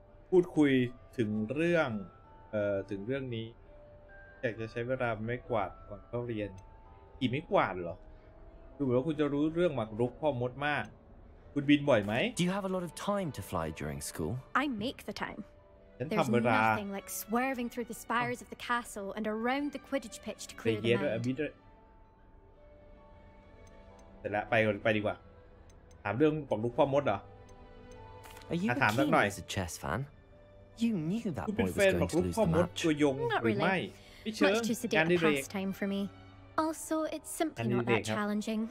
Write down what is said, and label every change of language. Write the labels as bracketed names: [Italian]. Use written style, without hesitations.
[Thai] พูดคุยถึงเรื่องถึงเรื่องนี้อยากจะใช้เวลาไม่กวาดก่อนเข้าเรียนขี่ไม่กวาดเหรอดูเหมือนว่าคุณจะรู้เรื่องหมากรุกพ่อมดมากคุณบินบ่อยไหม [English] Do you have a lot of time to fly during school? I make the time. [Thai] ฉันทำเวลา [English] There's nothing like swerving through the spires of the castle and around the Quidditch pitch to clear the mind. [Thai] ไปเย็นด้วยบินด้วยเสร็จแล้วไปดีกว่าถามเรื่องหมากรุกพ่อมดเหรอ [English] Are you [Thai] ถามสักหน่อย [English] Chess fan? You knew that boy was going to lose the match. [Thai] ตัวยงหรือไม่ [English] Much too sedate pastime for me. Also, it's simply not that challenging.